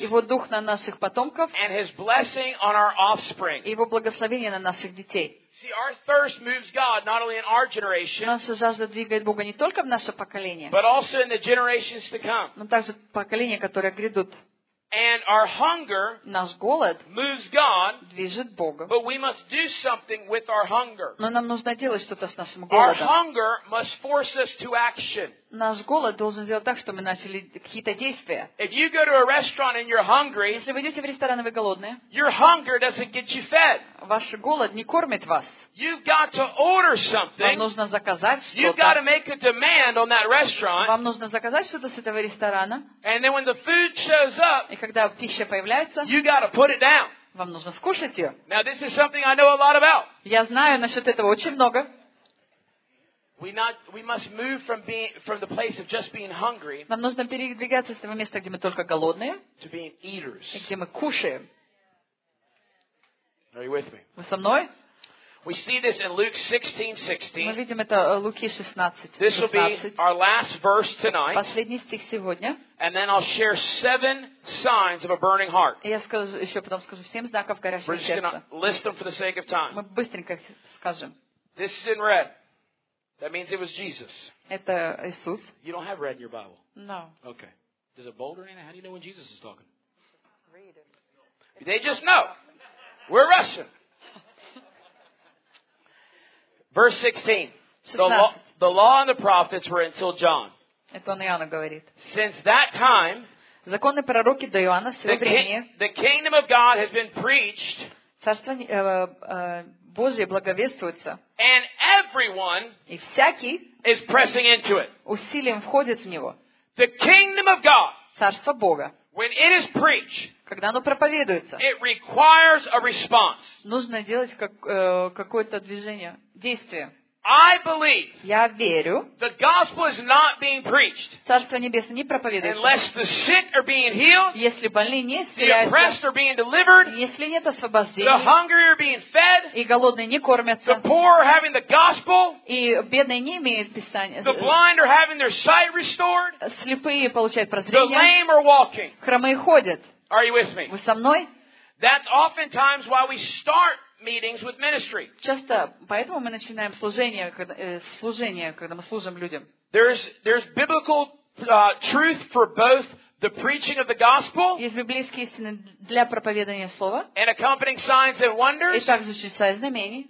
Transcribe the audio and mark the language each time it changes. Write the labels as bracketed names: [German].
[Russian] его дух на наших потомков. [English] And his blessing on our offspring. [Russian] И его благословение на наших детей. [English] See, our thirst moves God not only in our generation, [Russian] наша жажда двигает Бога не только в наше поколение, [English] but also in the generations to come. [Russian] Но также поколения, которые грядут. [English] And our hunger, [Russian] наш голод, [English] moves God, [Russian] движет Бога. [English] But we must do something with our hunger. [Russian] Но нам нужно делать что-то с нашим голодом. [English] Our hunger must force us to action. [Russian] Наш голод должен сделать так, чтобы мы начали какие-то действия. [English] If you go to a restaurant and you're hungry, [Russian] если вы идете в ресторан и вы голодные, [English] your hunger doesn't get you fed. [Russian] Ваш голод не кормит вас. [English] You've got to order something. [Russian] Вам нужно заказать что-то. [English] You've got to make a demand on that restaurant. [Russian] Вам нужно заказать что-то с этого ресторана. [English] And then when the food shows up, [Russian] и когда пища появляется, [English] you've got to put it down. [Russian] Вам нужно скушать ее. [English] Now this is something I know a lot about. [Russian] Я знаю насчет этого очень много. [English] We must move from the place of just being hungry. [Russian] Нам нужно передвигаться с того места, где мы только голодные, [English] to being eaters. [Russian] И где мы кушаем. [English] Are you with me? [Russian] Вы со мной? [English] We see this in Luke 16:16. [Russian] Мы видим это в Луки 16:16. [English] This will be our last verse tonight. [Russian] Последний стих сегодня. [English] And then I'll share 7 signs of a burning heart. [Russian] Я скажу еще потом скажу 7 знаков горящего сердца. [English] We're just going to list them for the sake of time. [Russian] Мы быстренько скажем. [English] This is in red. That means it was Jesus. [Russian] Это Иисус. [English] You don't have red in your Bible. No. Okay. There's a boulder in it. How do you know when Jesus is talking? Read it. They just know. We're Russian. Verse 16. The law and the prophets were until John. [Russian] Это он Иоанна говорит. [English] Since that time, [Russian] законы пророки до Иоанна все время. [English] The kingdom of God has been preached. [Russian] Царство Божие благовествуется. [English] And everyone [Russian] и всякий [English] is pressing into it. [Russian] Усилием входит в него. [English] The kingdom of God, [Russian] царство Бога, [English] when it is preached, [Russian] когда оно проповедуется, [English] it requires a response. [Russian] Нужно делать какое-то движение, действие. [English] I believe, [Russian] я верю, [English] the gospel is not being preached, [Russian] царство небесное не проповедуется, [English] unless the sick are being healed, [Russian] если больные не исцеляются, [English] the oppressed are being delivered, [Russian] если нет освобождения, [English] the hungry are being fed, [Russian] и голодные не кормятся, [English] the poor are having the gospel, [Russian] и бедные не имеют писания, [English] the blind are having their sight restored, [Russian] слепые получают прозрение, [English] the lame are walking. [Russian] Хромые ходят. [English] Are you with me? [Russian] Вы со мной? [English] That's oftentimes why we start meetings with ministry. [Russian] Часто поэтому мы начинаем служение, когда мы служим людям. [English] There's biblical truth for both the preaching of the gospel. [Russian] Есть библейские истины для проповедания слова. [English] And accompanying signs and wonders. [Russian] И также чудеса и знамения.